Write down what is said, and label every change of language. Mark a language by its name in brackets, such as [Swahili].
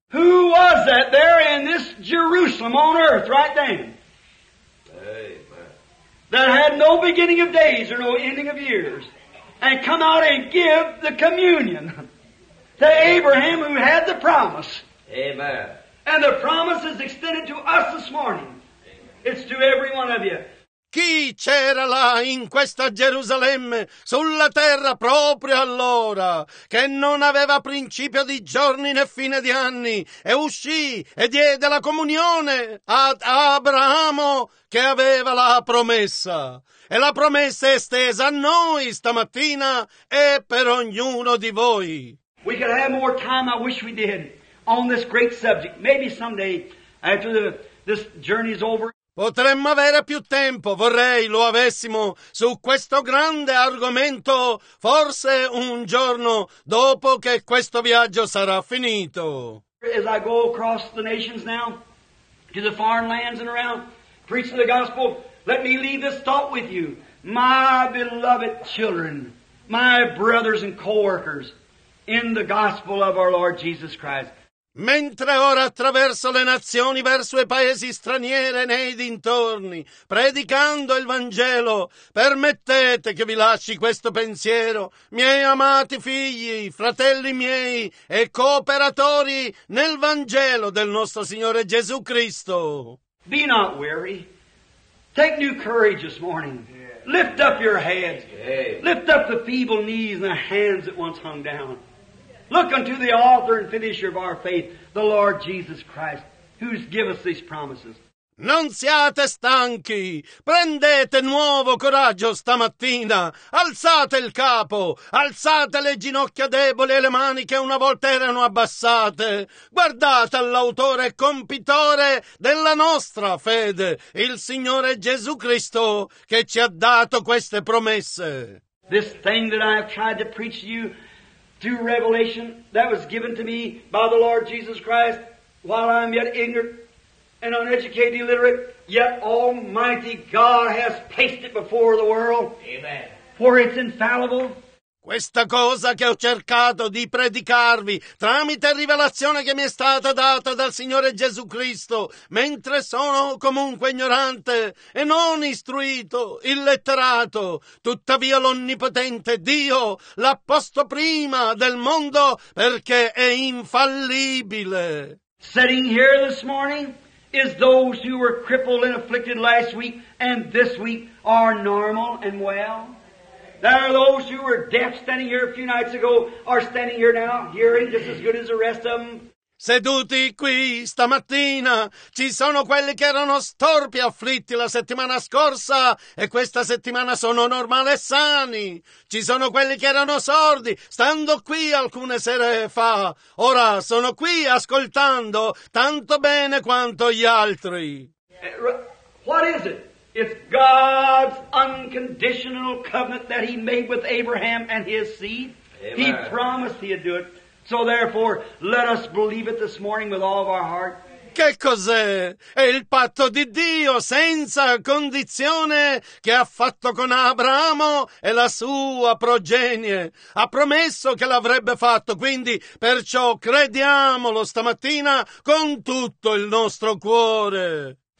[English] Who was that there in this Jerusalem on earth right then? Amen. That had no beginning of days or no ending of years and come out and give the communion to Abraham who had the promise. Amen. And the promise is extended to us this morning. Amen. It's to every one of you. [Italian] Chi c'era là in questa Gerusalemme, sulla terra proprio allora, che non aveva principio di giorni né fine di anni, e uscì e diede la comunione ad Abramo che aveva la promessa. E la promessa è estesa a noi stamattina e per ognuno di voi. [English] We could have more time, I wish we did, on this great subject. Maybe someday, after this journey is over. [Italian] Potremmo avere più tempo, vorrei lo avessimo, su questo grande argomento, forse un giorno dopo che questo viaggio sarà finito. [English] As I go across the nations now, to the foreign lands and around, preaching the gospel, let me leave this thought with you. My beloved children, my brothers and co-workers, in the gospel of our Lord Jesus Christ. [Italian] Mentre ora attraverso le nazioni, verso i paesi stranieri e nei dintorni, predicando il Vangelo, permettete che vi lasci questo pensiero, miei amati figli, fratelli miei e cooperatori nel Vangelo del nostro Signore Gesù Cristo. [English] Be not weary. Take new courage this morning. Lift up your heads. Lift up the feeble knees and the hands that once hung down. Look unto the author and finisher of our faith, the Lord Jesus Christ, who's given us these promises. [Italian] Non siate stanchi, prendete nuovo coraggio stamattina, alzate il capo, alzate le ginocchia deboli e le mani che una volta erano abbassate, guardate all'autore e compitore della nostra fede, il Signore Gesù Cristo, che ci ha dato queste promesse. [English] This thing that I have tried to preach to you through revelation that was given to me by the Lord Jesus Christ while I am yet ignorant and uneducated, illiterate, yet Almighty God has placed it before the world. Amen. For it's infallible. [Italian] Questa cosa che ho cercato di predicarvi tramite rivelazione che mi è stata data dal Signore Gesù Cristo, mentre sono comunque ignorante e non istruito, illetterato, tuttavia l'Onnipotente Dio l'ha posto prima del mondo perché è infallibile. [English] Sitting here this morning is those who were crippled and afflicted last week and this week are normal and well. There are those who were deaf standing here a few nights ago are standing here now, hearing just as good as the rest of them. [Italian] Seduti qui stamattina, ci sono quelli che erano storpi e afflitti la settimana scorsa e questa settimana sono normali e sani. Ci sono quelli che erano sordi, stando qui alcune sere fa. Ora sono qui ascoltando tanto bene quanto gli altri. [English] What is it? It's God's unconditional covenant that he made with Abraham and his seed. Amen. He promised he'd do it. So therefore, let us believe it this morning with all of our heart. [Italian] Che cos'è? È il patto di Dio senza condizione che ha fatto con Abramo e la sua progenie. Ha promesso che l'avrebbe fatto, quindi perciò crediamolo stamattina con tutto il nostro cuore.